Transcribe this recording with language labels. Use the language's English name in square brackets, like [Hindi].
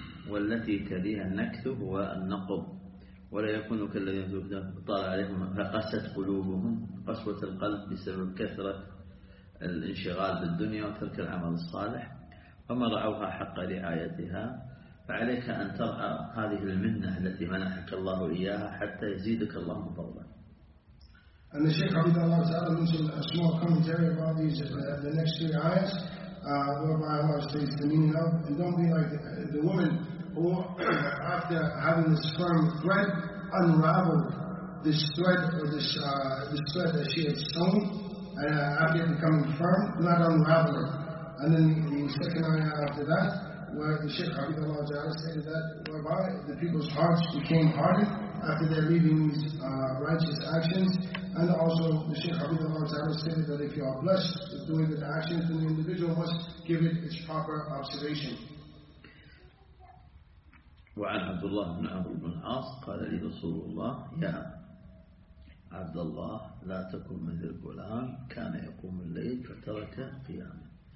[Arabic] والتي تليها النكث هو النقض ولا يكون كالذين طال عليهم فقست قلوبهم قسوة القلب بسبب كثرة الانشغال بالدنيا وترك العمل الصالح فما رأوها حق رعايتها فعليك أن ترعى هذه المنة التي منحك الله إياها حتى يزيدك الله فضلا. [English] And the Shaykh Habibullah Ta'ala mentioned a small commentary about these the next 3 ayahs, whereby Allah states the meaning of, and don't be like the woman who, after having this firm thread, unraveled this thread or this thread that she had sewn, and after becoming firm, not unraveled. And then the second ayah after that, where the Shaykh Habibullah Ta'ala stated that, whereby the people's hearts became hardened after their leaving these righteous actions. And also, the Shaykh Habibullah Ta'ala stated that if you are blessed with doing the actions, then the individual must give it its proper observation. [Arabic] وعن عبد الله بن عمرو بن العاص قال لي رسول الله يا عبد الله لا تكن مثل فلان كان يقوم الليل فترك قيامه.